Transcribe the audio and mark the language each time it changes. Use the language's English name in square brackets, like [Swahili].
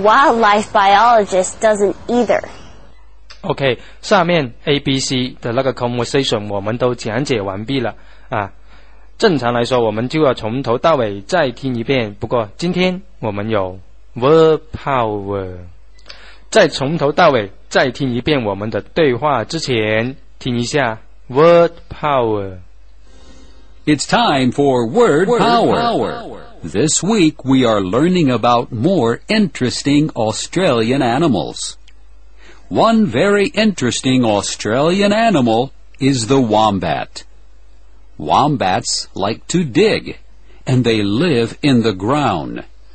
[English] Wildlife Biologist doesn't either。 [Chinese] OK， 下面 ABC 的那个 conversation 我们都讲解完毕了啊。正常来说我们就要从头到尾再听一遍，不过今天我们有 verb power， 再从头到尾再听一遍我们的对话之前，听一下 word power。 [English] It's time for word power. This week we are learning about more interesting Australian animals. One very interesting Australian animal is the wombat. Wombats like to dig, and they live in the ground.